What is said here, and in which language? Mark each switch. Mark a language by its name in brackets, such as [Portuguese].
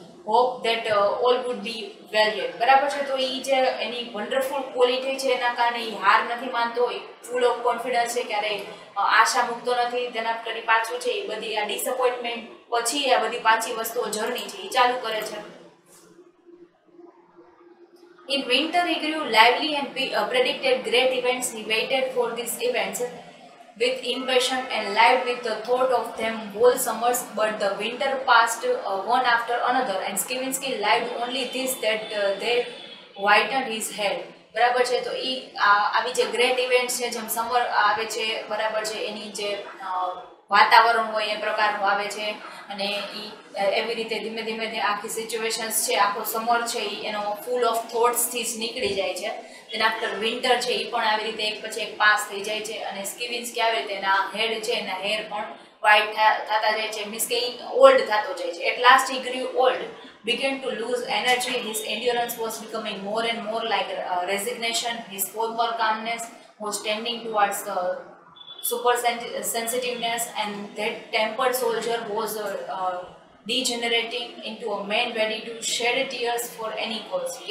[English] hope that all would be well યર [Gujarati] બરાબર છે. તો ઈ જે એની વન્ડરફુલ ક્વોલિટી છે એના કારણે ઈ હાર નથી માનતો, ફૂલ ઓફ કોન્ફિડન્સ છે, ક્યારે આશા મૂકતો નથી. તેના કરી પાછું છે એ બધી આ ડિસઅપોઇન્ટમેન્ટ પછી આ બધી પાછી વસ્તુઓ જર્ની છે એ ચાલુ કરે છે. [English] In winter he grew lively and predicted great events. He waited for this events with impatience and lived with the thought of them whole summers, but the winter passed one after another and Skivinsky lived only this that they whitened his head. [Gujarati] બરાબર છે. તો ઈ આવી જે great event છે, જેમ summer આવે છે બરાબર છે, એની જે વાતાવરણ હોય એ પ્રકારનું આવે છે અને ઈ એવી રીતે ધીમે ધીમે આખી સિચ્યુએશન્સ છે, આખો સમર છે ઈ એનો ફૂલ ઓફ થોટ્સથી જ નીકળી જાય છે. તેના આફ્ટર વિન્ટર છે એ પણ આવી રીતે એક પછી એક પાસ થઈ જાય છે અને સ્કિવિન્સકી આવી રીતે એના હેડ છે એના હેર પણ વ્હાઈટ થતા જાય છે, મીન્સ કે ઈ ઓલ્ડ થતો જાય છે. [English] At last he grew old, began to lose energy, his endurance was becoming more and more like resignation, his former calmness was tending towards the super sensitiveness and that tempered soldier was degenerating into a man ready to shed tears for any cause.